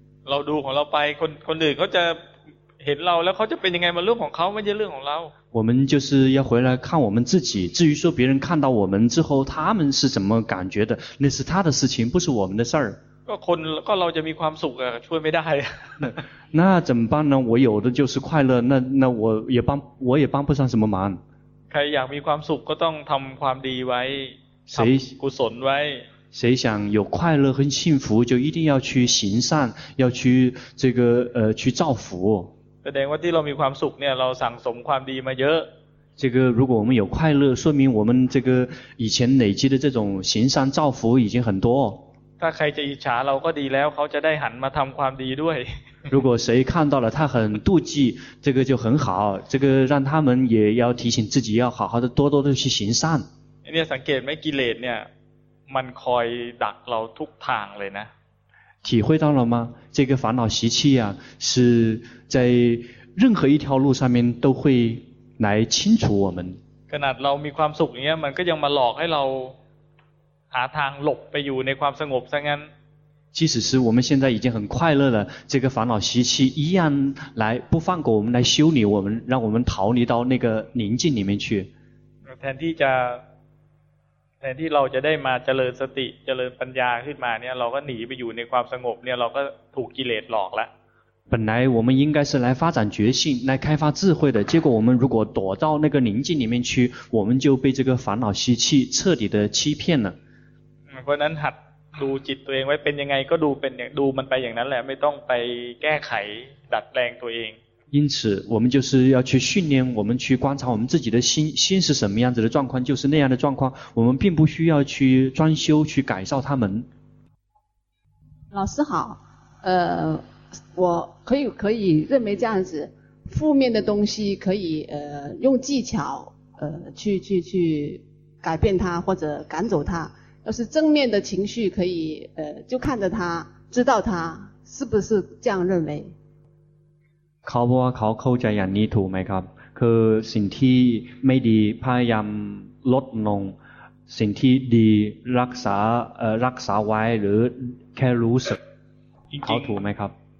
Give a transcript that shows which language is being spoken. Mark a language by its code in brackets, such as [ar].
[th] เราดูของเราไปคนอื่นเขาจะเห็นเราแล้วเขาจะเป็นยังไงมันเรื่องของเขาไม่ใช่เรื่องของเรา [zh] 我们就是要回来看我们自己至于说别人看到我们之后他们是怎么感觉的那是他的事情不是我们的事儿 [th] ก็เราจะมีความสุขอะช่วยไม่ได้ [zh] 那怎么办呢我有的就是快乐那我也帮不上什么忙 [th] ใครอยากมีความสุขก็ต้องทำความดีไว้ทำกุศลไว้ [zh] 谁想有快乐和幸福就一定要去行善要去这个去造福 [th] แสดงว่าที่เรามีความสุขเนี่ยเราสั่งสมความดีมาเยอะ [zh] 这个如果我们有快乐说明我们这个以前累积的这种行善造福已经很多 [th] ถ้าใครจะอิจฉาเราก็ดีแล้วเขาจะได้หันมาทำความดีด้วย [zh] 如果谁看到了他很妒忌这个就很好这个让他们也要提醒自己要好好的多多的去行善 [th] เนี่ยสังเกตไหมกิเลสเนี่ยมันคอยดักเราทุกทางเลยนะ [zh] 体会到了吗这个烦恼习气啊是在任何一条路上面都会来清除我们 [th] ขนาดเรามีความสุขอย่างเงี้ยมันก็ยังมาหลอกให้เราหาทางหลบไปอยู่ในความสงบซะงั้น [zh] 即使是我们现在已经很快乐了这个烦恼习气一样来不放过我们来修理我们让我们逃离到那个宁静里面去 [th] แทนที่เราจะได้มาเจริญสติเจริญปัญญาขึ้นมาเนี่ยเราก็หนีไปอยู่ในความสงบเนี่ยเราก็ถูกกิเลสหลอกละ [zh] 本来我们应该是来发展觉性来开发智慧的结果我们如果躲到那个宁静里面去我们就被这个烦恼习气彻底的欺骗了 [th] เพราะนั้นหัดดูจิตตัวเองไว้เป็นยังไงก็ดูเป็นดูมันไปอย่างนั้นแหละไม่ต้องไปแก้ไขดัดแปลงตัวเอง [zh] 因此我们就是要去训练我们去观察我们自己的心是什么样子的状况就是那样的状况我们并不需要去装修去改造它们老师好我可以认为这样子负面的东西可以用技巧去改变它或者赶走它要是正面的情绪可以就看着他知道他是不是这样认为 [th] เขาบอกว่าเขาเข้าใจอย่างนี้ถูกไหมครับคือสิ่งที่ไม่ดีพยายามลดลงสิ่งที่ดีรักษาไว้หรือแค่รู้สึกเขาถูกไหมครับ